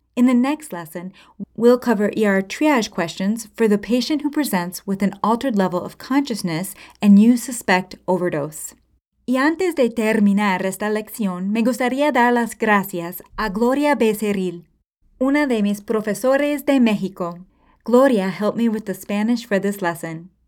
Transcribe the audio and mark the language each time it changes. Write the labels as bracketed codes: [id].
[en] In the next lesson, we'll cover ER triage questions for the patient who presents with an altered level of consciousness and you suspect overdose. [es] Y antes de terminar esta lección, me gustaría dar las gracias a Gloria Becerril, una de mis profesores de México. [en] Gloria helped me with the Spanish for this lesson.